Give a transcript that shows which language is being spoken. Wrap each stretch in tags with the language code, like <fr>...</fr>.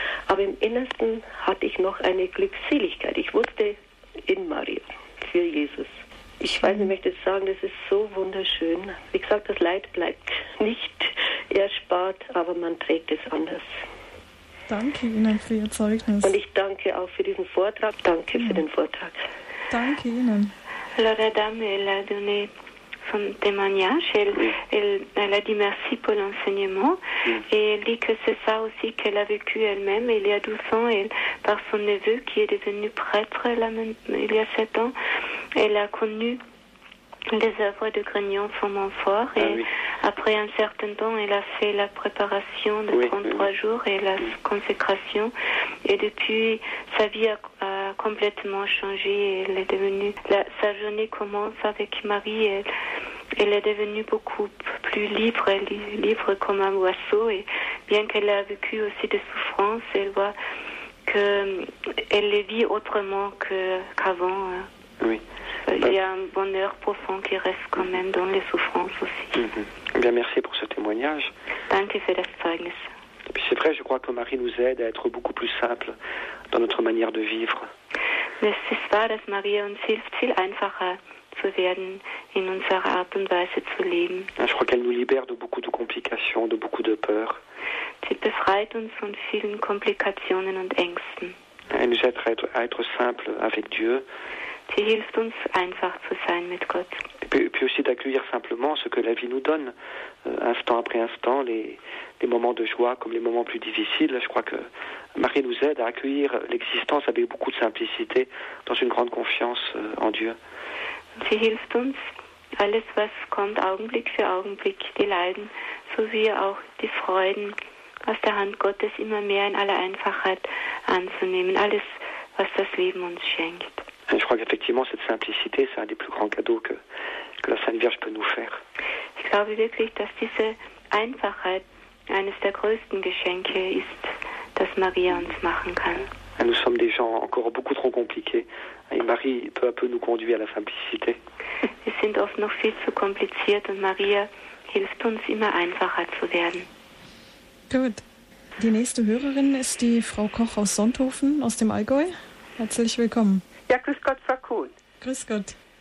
<de>Aber im Innersten hatte ich noch eine Glückseligkeit. Ich wusste, in Maria, für Jesus. Ich weiß nicht, ich möchte sagen, das ist so wunderschön. Wie gesagt, das Leid bleibt nicht erspart, aber man trägt es anders. Danke Ihnen für Ihr Zeugnis. Und ich danke auch für diesen Vortrag. Danke für den Vortrag. Danke Ihnen.</de> <it>Allora,</it> <fr>dame, elle a donné son témoignage. Elle a dit merci pour l'enseignement. Et elle dit que c'est ça aussi qu'elle a vécu elle-même. Il y a 12 ans, elle, par son neveu qui est devenu prêtre il y a 7 ans, elle a connu les œuvres de Grignon sur Montfort. Et après un certain temps, elle a fait la préparation de 33 jours et la consécration. Et depuis, sa vie a complètement changé. Elle est devenue, sa journée commence avec Marie. Elle est devenue beaucoup plus libre, libre comme un oiseau. Et bien qu'elle a vécu aussi des souffrances, elle voit qu'elle les vit autrement qu'avant. Oui. Il y a un bonheur profond qui reste quand même dans les souffrances aussi. Mm-hmm. Bien, merci pour ce témoignage.</fr> <de>Danke für das Zeugnis.</de> <fr>Et puis c'est vrai, je crois que Marie nous aide à être beaucoup plus simple dans notre manière de vivre.</fr> <de>Es ist wahr, dass Maria uns hilft, viel einfacher zu werden in unserer Art und Weise zu leben.</de> <fr>Je crois qu'elle nous libère de beaucoup de complications, de beaucoup de peurs.</fr> <de>Sie befreit uns von vielen Komplikationen und Ängsten.</de> <fr>Elle nous aide à être simple avec Dieu.</fr> <de>Sie hilft uns, einfach zu sein mit Gott.</de> <fr>Puis aussi d'accueillir simplement ce que la vie nous donne, instant après instant, les moments de joie comme les moments plus difficiles. Je crois que Marie nous aide à accueillir l'existence avec beaucoup de simplicité, dans une grande confiance en Dieu.</fr> <de>Sie hilft uns, alles was kommt, Augenblick für Augenblick, die Leiden, sowie auch die Freuden, aus der Hand Gottes immer mehr in aller Einfachheit anzunehmen, alles was das Leben uns schenkt.</de> <fr>Je crois qu'effectivement, cette simplicité, c'est un des plus grands cadeaux que la Sainte Vierge peut nous faire.</fr> <de>Ich glaube wirklich, dass diese Einfachheit eines der größten Geschenke ist, das Maria uns machen kann.</de> <fr>Et nous sommes des gens encore beaucoup trop compliqués. Et Marie peu à peu nous conduit à la simplicité.</fr> <de>Wir sind oft noch viel zu kompliziert und Maria hilft uns, immer einfacher zu werden. Gut. Die nächste Hörerin ist die Frau Koch aus Sonthofen, aus dem Allgäu. Herzlich willkommen. Ja, grüß Gott, Frau Kuhn. Grüß Gott.</de>